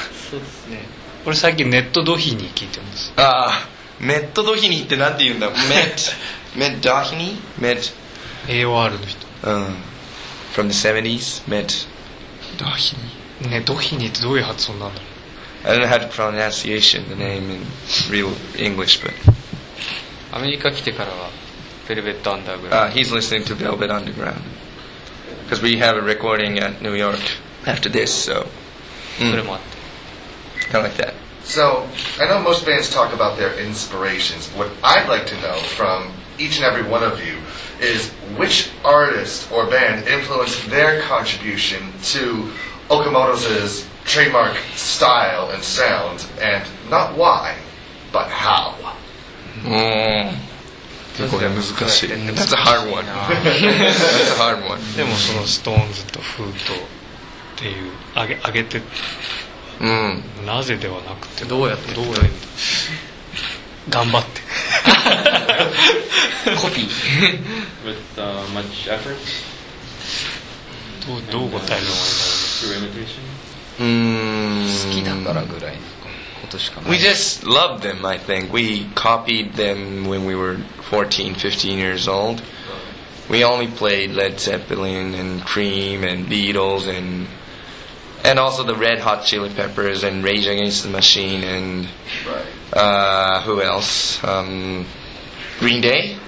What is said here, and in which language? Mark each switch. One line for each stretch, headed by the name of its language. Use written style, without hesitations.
Japanese: そうですね。これ最近ネットドヒニー聞いてます。ああ、ネットドヒニーってなんて言うんだ、メッドヒニー、メッド AOR の人、
English: うん、 from the 70s、 メッ
Japanese: ドドヒニー、ね、ドヒニーってどういう発音なんだろう。
English: I don't know how to pronunciation the name in real English, but
Japanese: アメリカ来てからはベルベットアンダーグラ
English: ウンド、 he's listening to Velvet Underground because we have a recording at New York after this, so
Japanese: それもあって、
English: kind of like that. So, I know most bands talk about their inspirations. What I'd like to know from each and every one of you is which artist or band influenced their contribution to Okamoto's trademark style and sound, and not why, but how. That's a hard one. That's a hard one.
Japanese: でもその Stones と Who とっていう上げて。うん、なぜではなくて、どうやって、どうやって頑張ってコピー
English: with much effort、
Japanese: どう答えるのか、
English: through imitation、
Japanese: 好きだからぐらいのことしかない。
English: We just loved them, I think. We copied them when we were 14, 15 years old. We only played Led Zeppelin and Cream and Beatles and also the Red Hot Chili Peppers and Rage Against the Machine and who else? Green Day.